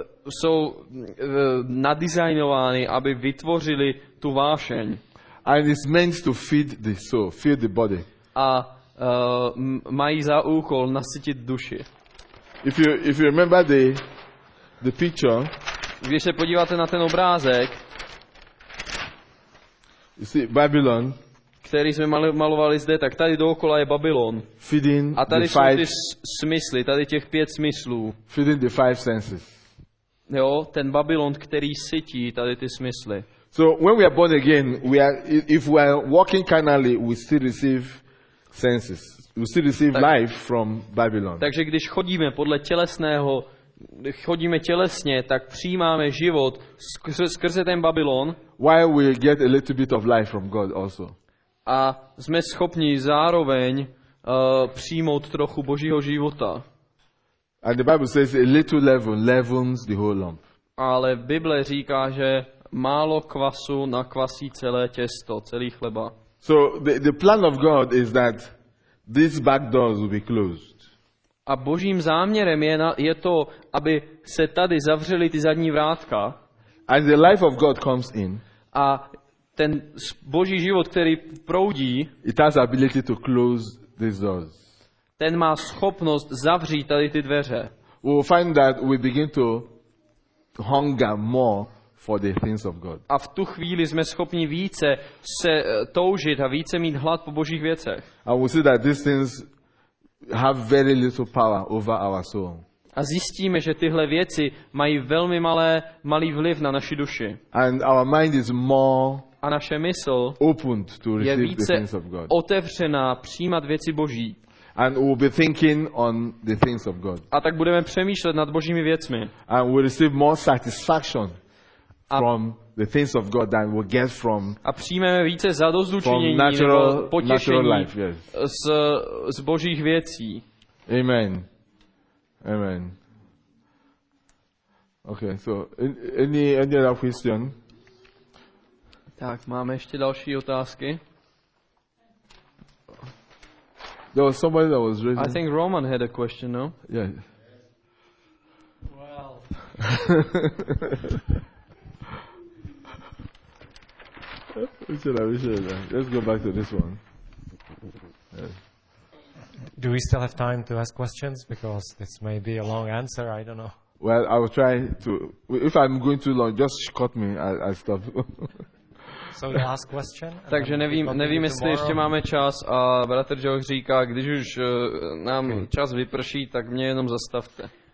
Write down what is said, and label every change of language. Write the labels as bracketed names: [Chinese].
[Czech] Jsou nadizajnovány, aby vytvořili tu vášeň. [English] And it's meant to feed the soul, feed the body. [Czech] A mají za úkol nasytit duši. [English] If you remember the picture, [Czech] když se podíváte na ten obrázek, [English] you see, Babylon, [Czech] který jsme malovali zde, tak tady dookola je Babylon. [English] Feeding [Czech] a tady [English] the [Czech] jsou [English] five, [Czech] ty smysly, tady těch pět smyslů. [English] Feeding the five senses. [Czech] Jo, ten Babylon, který sytí tady ty smysly. [English] So when we are born again, if we are walking carnally, we still receive senses. We still receive life from Babylon. [Czech] Takže když chodíme podle tělesného, chodíme tělesně, tak přijímáme život skrze ten Babylon. [English] While we get a little bit of life from God also. [Czech] A jsme schopni zároveň přijmout trochu Božího života. [English] And the Bible says a little leaven leavens the whole lump. [Czech] Ale Bible říká, že málo kvasu nakvasí celé těsto, celý chleba. [English] So the plan of God is that these back doors will be closed. [Czech] A Božím záměrem je to, aby se tady zavřely ty zadní vrátka. [English] And the life of God comes in. [Czech] A ten Boží život, který proudí, [English] it has ability to close these doors. [Czech] Ten má schopnost zavřít tady ty dveře. [English] We will find that we begin to hunger more for the things of God. [Czech] A v tu chvíli jsme schopni více se toužit a více mít hlad po Božích věcech. [English] And we see that these things have very little power over our soul. [Czech] A zjistíme, že tyhle věci mají velmi malý vliv na naši duši. [English] And our mind is more. [Czech] A naše mysl [English] opened to receive the things of God. [Czech] Je více otevřená přijímat věci Boží. [English] And we'll be thinking on the things of God. [Czech] A tak budeme přemýšlet nad Božími věcmi. [English] And we'll receive more satisfaction from the things of God than we'll get from. [Czech] A přijmeme více zadozučení nebo potěšení [English] life, yes. [Czech] z Božích věcí. [English] Amen. Amen. Okay, so any other question? Tak, máme ještě další otázky. There was somebody that was raising. I think Roman had a question, no? Yeah. Well. We should have. Let's go back to this one. Yeah. Do we still have time to ask questions? Because this may be a long answer, I don't know. Well, I will try to. If I'm going too long, just cut me, I'll stop. So the last question. [Czech] Takže nevím, jestli ještě máme čas a bratr Joe říká, když už nám čas vyprší, tak mě jenom zastavte.